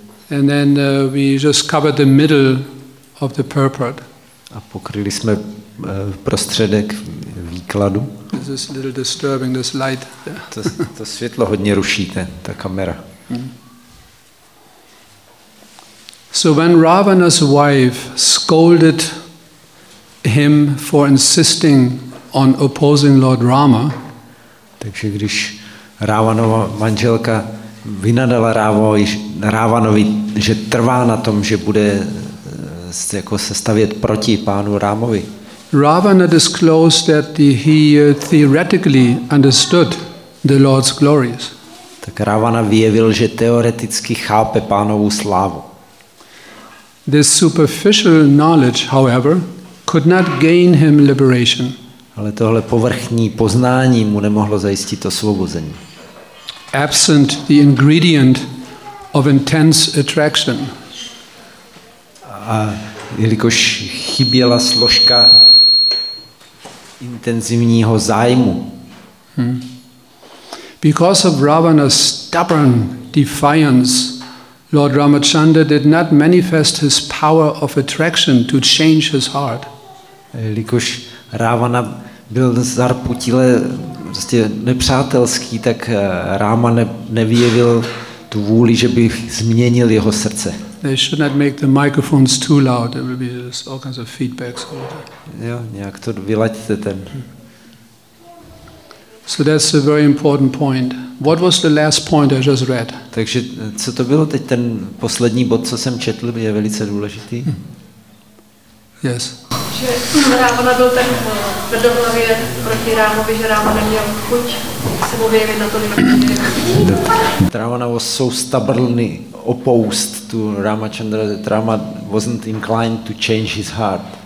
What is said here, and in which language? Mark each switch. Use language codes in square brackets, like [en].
[en] And then we just covered the middle of the purport. [cs] A pokryli jsme prostředek výkladu. [en] This is a little disturbing, this light. [cs] To světlo hodně ruší, ta kamera. [en] So when Ravana's wife scolded him for insisting on opposing Lord Rama, [cs] takže když Ravanova manželka vynadala Ravanovi, že trvá na tom, že bude jako se stavět proti pánu Rámovi, [en] Ravana disclosed that he theoretically understood the Lord's glories. [cs] Tak Ravana vyjevil, že teoreticky chápe pánovu slávu. [en] This superficial knowledge, however, could not gain him liberation. [cs] Ale tohle povrchní poznání mu nemohlo zajistit osvobození. [en] Absent the ingredient of intense attraction. [cs] A jelikož chyběla složka intenzivního zájmu. [en] Because of Ravana's stubborn defiance, Lord Ramachandra did not manifest his power of attraction to change his heart. [cs] Jelikož Ravana byl zarputile prostě nepřátelský, tak Rama nevyjevil tu vůli, že by změnil jeho srdce. [en] They should not make the microphones too loud. There will be all kinds of feedbacks. [cs] Jo, nějak to vylaďte ten. [en] So that's a very important point. What was the last point I just read? [cs] Takže co to bylo teď ten poslední bod, co jsem četl, je velice důležitý. [en] Yes. [cs] Že Rávana byl tak vedomlavě proti Rámovi, že Ráma neměl chuť se objevit na to. [en] Rávana was so stubbornly opposed to Ramachandra that Rama wasn't inclined to change his heart.